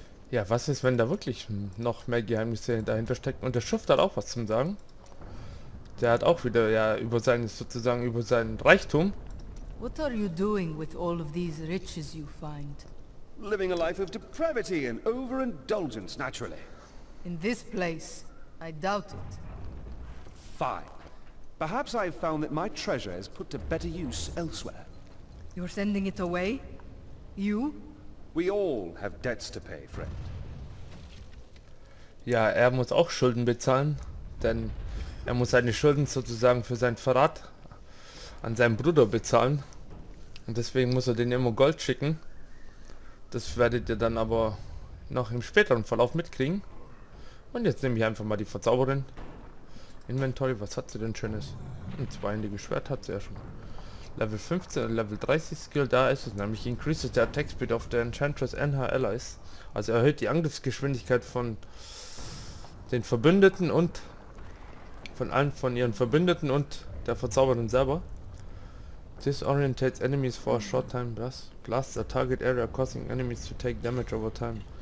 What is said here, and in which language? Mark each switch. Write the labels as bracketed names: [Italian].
[German] Ja, was ist, wenn da wirklich noch mehr Geheimnisse dahinter stecken? Und der Schuft hat auch was zum Sagen. Der hat auch wieder ja über seinen Reichtum. [English] What are you doing with all of these riches you find? Living a life of depravity and overindulgence, naturally. In this place, I doubt it. Fine. Perhaps I have found that my treasure is put to better use elsewhere. You're sending it away? You? We all have debts to pay, friend. [German] Ja, er muss auch Schulden bezahlen, denn er muss seine Schulden sozusagen für seinen Verrat an seinen Bruder bezahlen. Und deswegen muss er den immer Gold schicken. Das werdet ihr dann aber noch im späteren Verlauf mitkriegen. Und jetzt nehme ich einfach mal die Verzauberin. Inventory, was hat sie denn Schönes? Ein zweihändiges Schwert hat sie ja schon. Level 15, Level 30 Skill, da ist es nämlich. [English] Increases the Attack Speed of the Enchantress and her Allies. [German] Also erhöht die Angriffsgeschwindigkeit von den Verbündeten und von allen von ihren Verbündeten und der Verzauberin selber. [English] Disorientates enemies for a short time, blasts a target area, causing enemies to take damage over time.